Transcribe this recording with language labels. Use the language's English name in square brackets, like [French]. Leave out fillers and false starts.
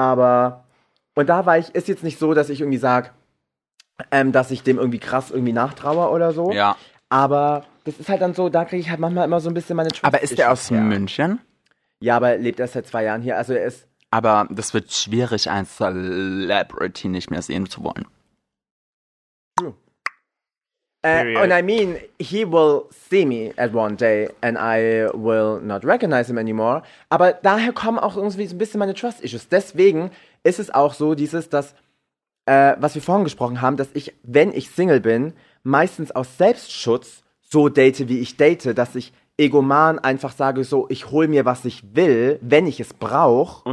[German] Aber, und da war ich, ist jetzt nicht so, dass ich irgendwie sage, dass ich dem irgendwie krass irgendwie nachtraue oder so. Ja. Aber das ist halt dann so, da kriege ich halt manchmal immer so ein bisschen meine Aber ist der aus München? Ja, aber lebt erst seit 2 Jahren hier, also er ist... Aber das wird schwierig, ein Celebrity nicht mehr sehen zu wollen. [English] And I mean, he will see me at one day and I will not recognize him anymore. [German] Aber daher kommen auch irgendwie so ein bisschen meine Trust-Issues. Deswegen ist es auch so, dieses, dass, was wir vorhin gesprochen haben, dass ich, wenn ich Single bin, meistens aus Selbstschutz so date, wie ich date, dass ich egoman einfach sage, so, ich hol mir, was ich will, wenn ich es brauche.